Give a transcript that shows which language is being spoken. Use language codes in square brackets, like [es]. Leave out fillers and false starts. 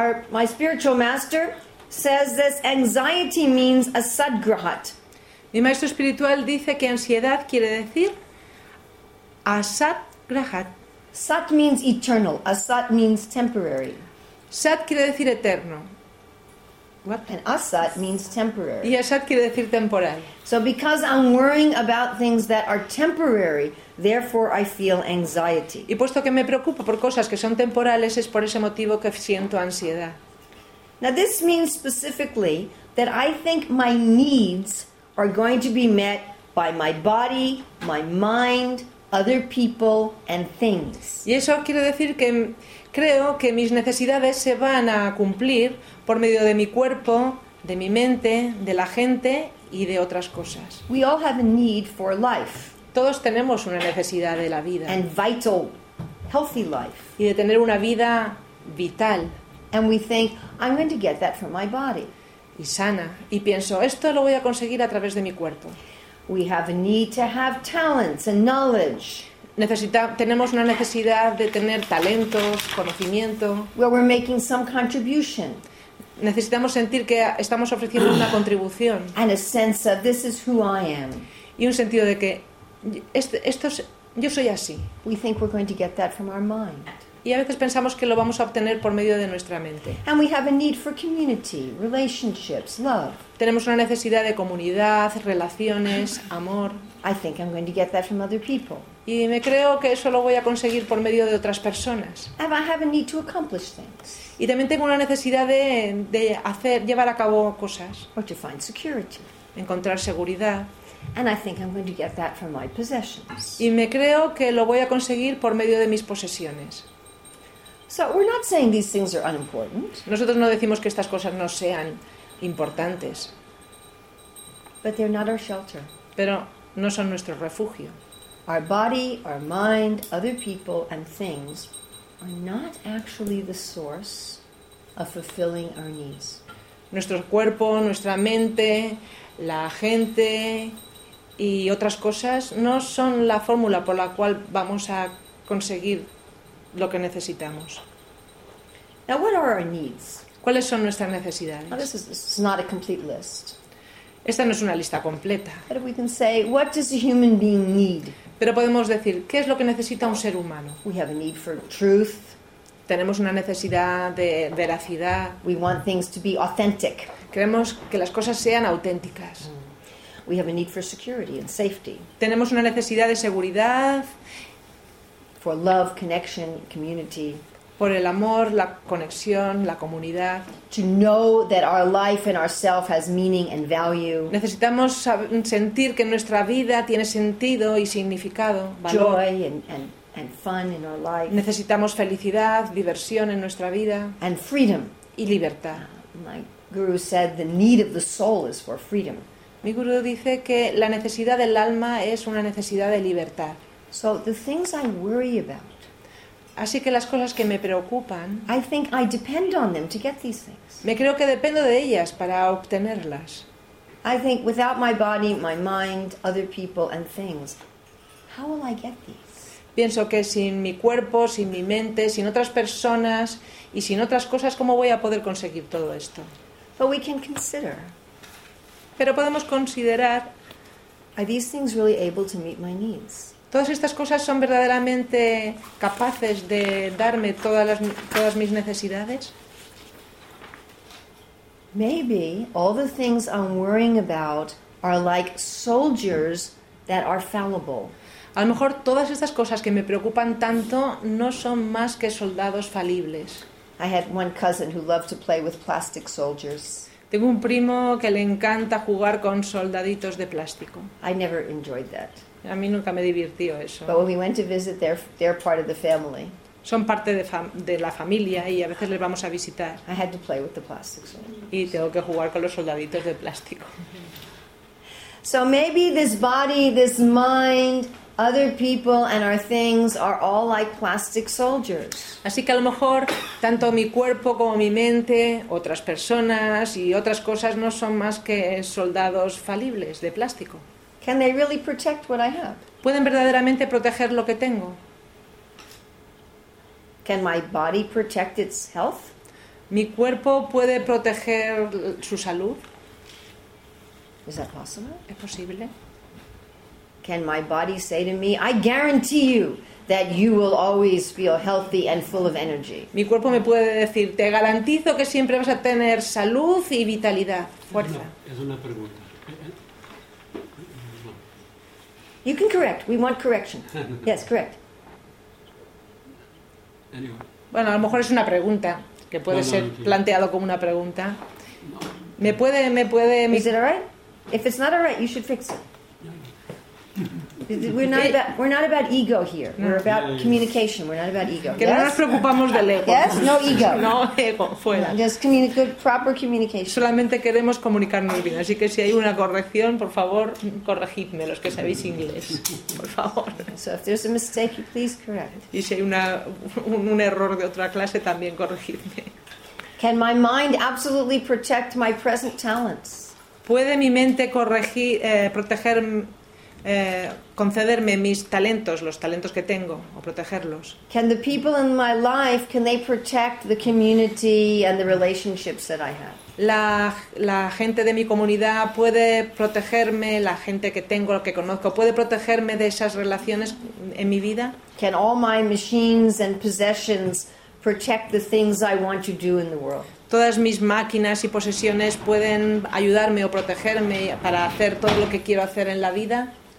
[en] My spiritual master says this anxiety means asadgrahat. [es] Mi maestro espiritual dice que ansiedad quiere decir asadgrahat. [en] Sat means eternal, asat means temporary. [es] Sat quiere decir eterno. [en] What? And asat means temporary. [es] Y asat quiere decir temporal. [en] So because I'm worrying about things that are temporary, therefore I feel anxiety. [es] Y puesto que me preocupo por cosas que son temporales, es por ese motivo que siento ansiedad. [en] Now this means specifically that I think my needs are going to be met by my body, my mind, other people and things. [es] Y eso quiere decir que creo que mis necesidades se van a cumplir por medio de mi cuerpo, de mi mente, de la gente y de otras cosas. [en] We all have a need for life. [es] Todos tenemos una necesidad de la vida. [en] And vital, healthy life. [es] Y de tener una vida vital. [en] And we think, I'm going to get that from my body. [es] Y sana. Y pienso, esto lo voy a conseguir a través de mi cuerpo. [en] We have a need to have talents and knowledge. [es] tenemos una necesidad de tener talentos, conocimiento. [en] Well, we're making some contribution. [es] Necesitamos sentir que estamos ofreciendo una contribución. [en] And a sense of this is who I am. [es] Y un sentido de que esto es, yo soy así. [en] We think we're going to get that from our mind. [es] Y a veces pensamos que lo vamos a obtener por medio de nuestra mente. [en] And we have a need for community, relationships, love. [es] Tenemos una necesidad de comunidad, relaciones, amor. [en] I think I'm going to get that from other people. [es] Y me creo que eso lo voy a conseguir por medio de otras personas. [en] And I have a need to accomplish things. [es] Y también tengo una necesidad de hacer, llevar a cabo cosas. [en] Or to find security. [es] Encontrar seguridad. [en] And I think I'm going to get that from my possessions. [es] Y me creo que lo voy a conseguir por medio de mis posesiones. [en] So we're not saying these things are unimportant. [es] Nosotros no decimos que estas cosas no sean importantes. [en] But they're not our shelter. [es] Pero no son nuestro refugio. [en] Our body, our mind, other people and things are not actually the source of fulfilling our needs. [es] Nuestro cuerpo, nuestra mente, la gente y otras cosas no son la fórmula por la cual vamos a conseguir lo que necesitamos. [en] Now, what are our needs? [es] ¿Cuáles son nuestras necesidades? [en] Now, this is not a complete list. [es] Esta no es una lista completa. [en] But we can say, what does a human being need? [es] Pero podemos decir, ¿qué es lo que necesita un ser humano? [en] We have a need for truth. [es] Tenemos una necesidad de veracidad. [en] We want things to be authentic. [es] Queremos que las cosas sean auténticas. [en] We have a need for security and safety. [es] Tenemos una necesidad de seguridad. [en] For love, connection, community. [es] Por el amor, la conexión, la comunidad. [en] To know that our life and ourselves has meaning and value. [es] Necesitamos sentir que nuestra vida tiene sentido y significado, valor. [en] Joy and fun in our life. [es] Necesitamos felicidad, diversión en nuestra vida. [en] And freedom. [es] Y libertad. [en] My guru said the need of the soul is for freedom. [es] Mi guru dice que la necesidad del alma es una necesidad de libertad. [en] So the things I worry about. [es] Así que las cosas que me preocupan, [en] I think I depend on them to get these things. [es] Me creo que dependo de ellas para obtenerlas. [en] I think without my body, my mind, other people and things, how will I get these? [es] Pienso que sin mi cuerpo, sin mi mente, sin otras personas y sin otras cosas, ¿cómo voy a poder conseguir todo esto? [en] But we can consider. [es] Pero podemos considerar, [en] are these things really able to meet my needs? [es] ¿Todas estas cosas son verdaderamente capaces de darme todas mis necesidades? [en] Maybe all the things I'm worrying about are like soldiers that are fallible. [es] A lo mejor todas estas cosas que me preocupan tanto no son más que soldados falibles. [en] I had one cousin who loved to play with plastic soldiers. [es] Tengo un primo que le encanta jugar con soldaditos de plástico. [en] I never enjoyed that. [es] A mí nunca me divirtió eso. [en] But when we went to visit, they're part of the family. [es] Son parte de la familia y a veces les vamos a visitar. [en] I had to play with the plastic soldiers. [es] Y tengo que jugar con los soldaditos de plástico. [en] So maybe this body, this mind, other people and our things are all like plastic soldiers. [es] Así que a lo mejor tanto mi cuerpo como mi mente, otras personas y otras cosas no son más que soldados falibles de plástico. [en] Can they really protect what I have? [es] ¿Pueden verdaderamente proteger lo que tengo? [en] Can my body protect its health? [es] ¿Mi cuerpo puede proteger su salud? [en] Is that possible? [es] ¿Es posible? [en] Can my body say to me, I guarantee you that you will always feel healthy and full of energy? [es] Mi cuerpo me puede decir, te garantizo que siempre vas a tener salud y vitalidad, fuerza. Es una pregunta. [en] You can correct. We want correction. Yes, correct. Anyway. [es] Bueno, a lo mejor es una pregunta que puede ser planteado como una pregunta. ¿Me puede? [en] Is it all right? If it's not all right, you should fix it. We're not about ego here. We're about communication. We're not about ego. [es] Que [en] yes? [es] No nos preocupamos del ego. [en] Yes, no ego. [es] No ego, fuera. [en] Just good, proper communication. [es] Solamente queremos comunicarnos bien. Así que si hay una corrección, por favor, corregidme los que sabéis inglés, por favor. [en] So if there's a mistake, you please correct. [es] Y si hay un error de otra clase, también corregidme. [en] Can my mind absolutely protect my present talents? [es] ¿Puede mi mente proteger concederme mis talentos, los talentos que tengo, o protegerlos. [en] Can the people in my life, can they protect the community and the relationships that I have? [es] La gente de mi comunidad puede protegerme, la gente que tengo, que conozco, puede protegerme de esas relaciones en mi vida. [en] Can all my machines and possessions protect the things I want to do in the world? [es] Todas mis máquinas y posesiones pueden ayudarme o protegerme para hacer todo lo que quiero hacer en la vida.